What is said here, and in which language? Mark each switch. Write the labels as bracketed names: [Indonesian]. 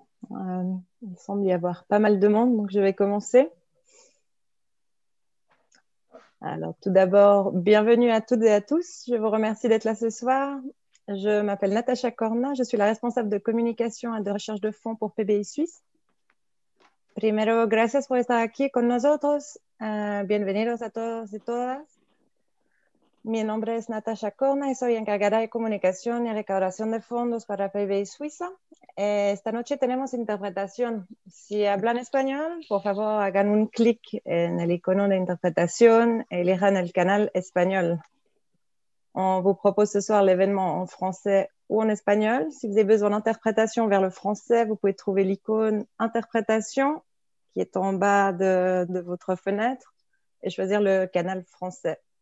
[French] Il semble y avoir pas mal de monde, donc je vais commencer. Alors, tout d'abord, bienvenue à toutes et à tous. Je vous remercie d'être là ce soir. Je m'appelle Natacha Corna, je suis la responsable de communication et de recherche de fonds pour PBI Suisse. [Spanish] Primero, gracias por estar aquí con nosotros. Bienvenidos a todos y todas. Mi nombre es Natasha Corna y soy encargada de comunicación y recaudación de fondos para PBI Suiza. Esta noche tenemos interpretación. Si hablan español, por favor, hagan un clic en el icono de interpretación y elijan el canal español. [French] On vous propose ce soir l'événement en français ou en espagnol. Si vous avez besoin d'interprétation vers le français, vous pouvez trouver l'icône interprétation qui est en bas de votre fenêtre et choisir le canal français.